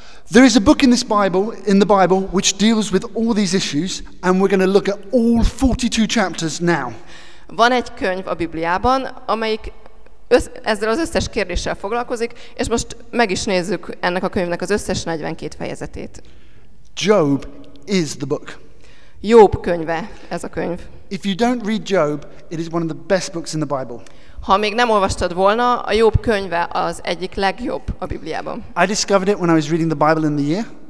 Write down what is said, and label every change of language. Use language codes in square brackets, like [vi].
[en] There is a book in the Bible which deals with all these issues and we're going to look at all 42 chapters now. [hu] Van egy könyv a Bibliában, amelyik ezzel az összes kérdéssel foglalkozik, és most meg is nézzük ennek a könyvnek az összes 42 fejezetét. [en] Job is the book. [hu] Jób könyve ez a könyv. [en] If you don't read Job, it is one of the best books in the Bible. [hu] Ha még nem olvastad volna, a Jób könyve az egyik legjobb a Bibliában. [en] I discovered it when I was reading the Bible in the year.